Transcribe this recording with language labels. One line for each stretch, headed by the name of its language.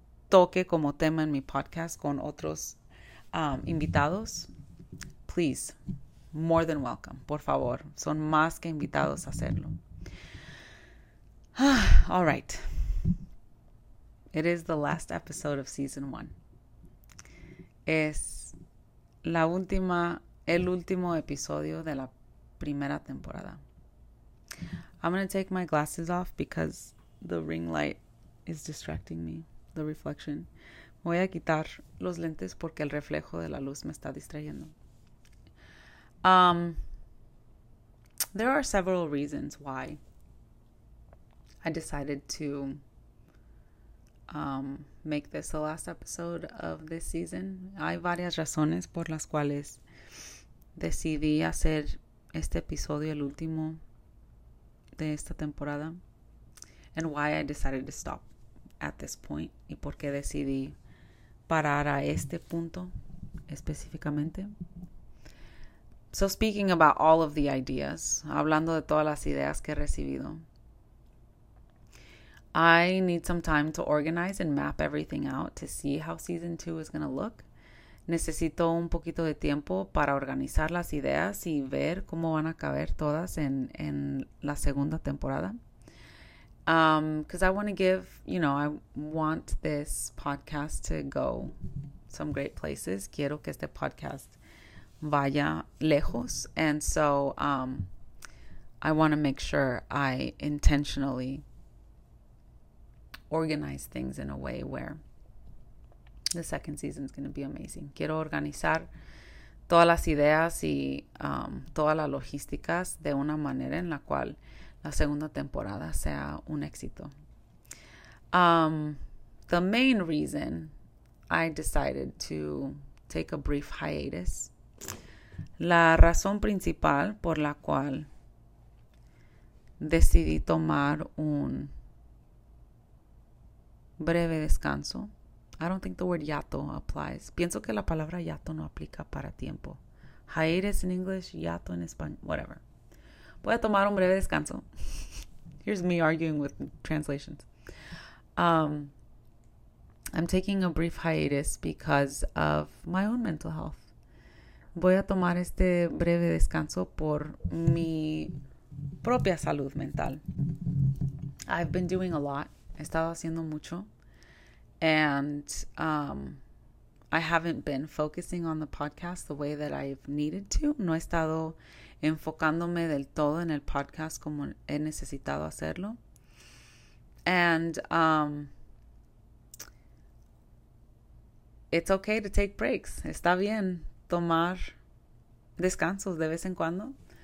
Spanish: toque como tema en mi podcast con otros invitados,
English: please, more than welcome,
Spanish: por favor, son más que invitados a hacerlo.
English: All right. It is the last episode of season one.
Spanish: Es la última, el último episodio de la primera temporada.
English: I'm going to take my glasses off because the ring light is distracting me, the reflection.
Spanish: Voy a quitar los lentes porque el reflejo de la luz me está distrayendo.
English: There are several reasons why I decided to make this the last episode of this season.
Spanish: Hay varias razones por las cuales decidí hacer este episodio el último de esta temporada.
English: And why I decided to stop at this point.
Spanish: Y por qué decidí parar a este punto específicamente.
English: So speaking about all of the ideas,
Spanish: hablando de todas las ideas que he recibido,
English: I need some time to organize and map everything out to see how season two is going to look.
Spanish: Necesito un poquito de tiempo para organizar las ideas y ver cómo van a caber todas en la segunda temporada.
English: Because I want to give, you know, I want this podcast to go some great places.
Spanish: Quiero que este podcast vaya lejos.
English: And so I want to make sure I intentionally organize things in a way where the second season is going to be amazing.
Spanish: Quiero organizar todas las ideas y todas las logísticas de una manera en la cual la segunda temporada sea un éxito.
English: The main reason I decided to take a brief hiatus,
Spanish: la razón principal por la cual decidí tomar un breve descanso.
English: I don't think the word yato applies.
Spanish: Pienso que la palabra yato no aplica para tiempo.
English: hiatus in English,
Spanish: yato en español, whatever. Voy a tomar un breve descanso.
English: Here's me arguing with translations. I'm taking a brief hiatus because of my own mental health.
Spanish: Voy a tomar este breve descanso por mi propia salud mental.
English: I've been doing a lot.
Spanish: He estado haciendo mucho.
English: And I haven't been focusing on the podcast the way that I've needed to.
Spanish: No he estado enfocándome del todo en el podcast como he necesitado hacerlo.
English: And it's okay to take breaks.
Spanish: Está bien tomar descansos de vez en cuando.